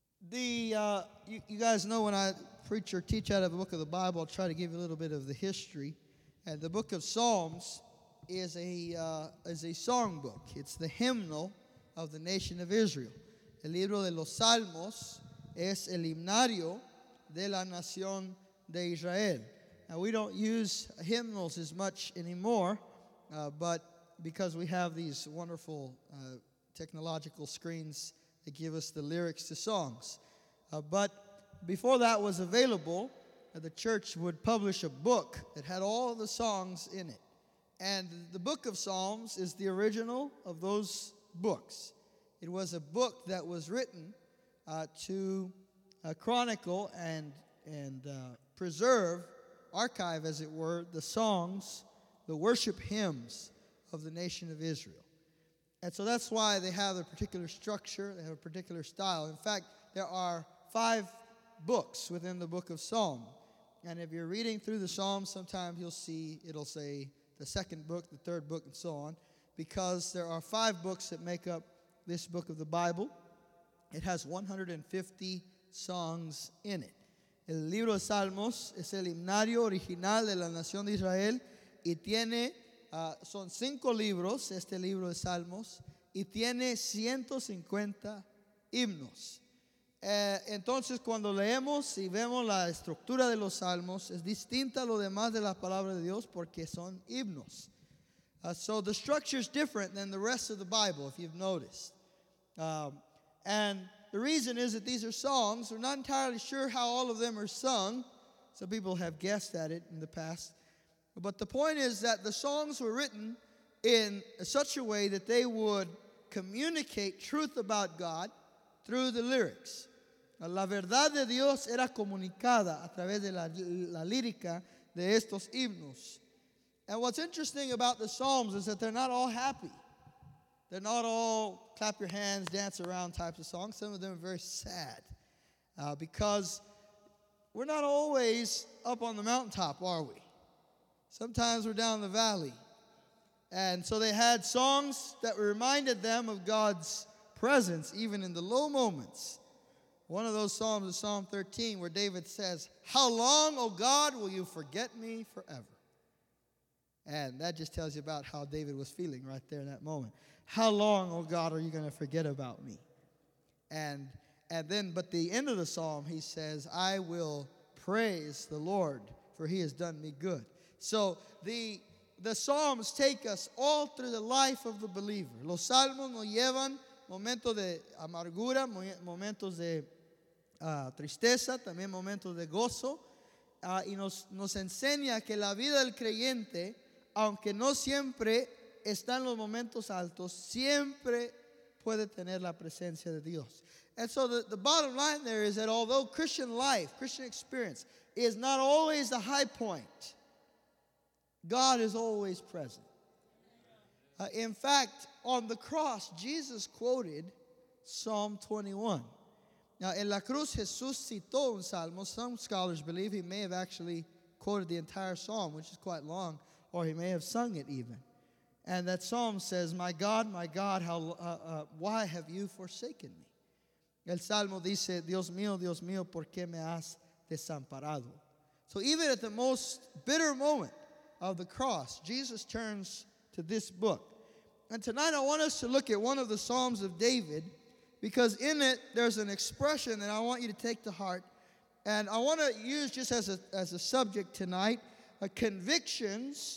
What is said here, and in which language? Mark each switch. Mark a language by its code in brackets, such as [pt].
[en] You guys know when I preach or teach out of a book of the Bible, I'll try to give you a little bit of the history. And the book of Psalms is a song book. It's the hymnal of the nation of Israel. [es] El libro de los Salmos es el himnario de la nación de Israel. [en] Now, we don't use hymnals as much anymore, but because we have these wonderful technological screens that give us the lyrics to songs. But before that was available, the church would publish a book that had all the songs in it. And the book of Psalms is the original of those books. It was a book that was written to chronicle and preserve, archive as it were, the songs, the worship hymns of the nation of Israel. And so that's why they have a particular structure, they have a particular style. In fact, there are 5 books within the book of Psalms. And if you're reading through the Psalms, sometimes you'll see it'll say the second book, the third book, and so on, because there are 5 books that make up this book of the Bible. It has 150 songs in it. [es] El libro de Salmos es el himnario original de la nación de Israel y tiene, son 5 libros, este libro de Salmos, y tiene 150 himnos. Entonces, cuando leemos y vemos la estructura de los Salmos, es distinta a lo demás de la palabra de Dios porque son himnos. [en] So the structure is different than the rest of the Bible, if you've noticed. And the reason is that these are songs. We're not entirely sure how all of them are sung. Some people have guessed at it in the past. But the point is that the songs were written in such a way that they would communicate truth about God through the lyrics. [es] La verdad de Dios era comunicada a través de la lírica de estos himnos. [en] And what's interesting about the Psalms is that they're not all happy. They're not all clap your hands, dance around types of songs. Some of them are very sad because we're not always up on the mountaintop, are we? Sometimes we're down the valley. And so they had songs that reminded them of God's presence, even in the low moments. One of those psalms is Psalm 13, where David says, "How long, O God, will you forget me forever?" And that just tells you about how David was feeling right there in that moment. How long, O God, are you going to forget about me? And then, but the end of the psalm, he says, "I will praise the Lord, for he has done me good." So the psalms take us all through the life of the believer. [es] Los salmos nos llevan momentos de amargura, momentos de tristeza, también momentos de gozo. Y nos enseña que la vida del creyente, aunque no siempre están los momentos altos, siempre puede tener la presencia de Dios. [en] And so the bottom line there is that although Christian life, Christian experience, is not always the high point, God is always present. In fact, on the cross, Jesus quoted Psalm 21. [es] Now, en la cruz, Jesús citó un salmo. [en] Some scholars believe he may have actually quoted the entire psalm, which is quite long, or he may have sung it even. And that psalm says, my God, how, why have you forsaken me? [es] El salmo dice, Dios mío, ¿por qué me has desamparado? [en] So even at the most bitter moment of the cross, Jesus turns to this book. And tonight I want us to look at one of the psalms of David, because in it there's an expression that I want you to take to heart. And I want to use just as a subject tonight, conviction.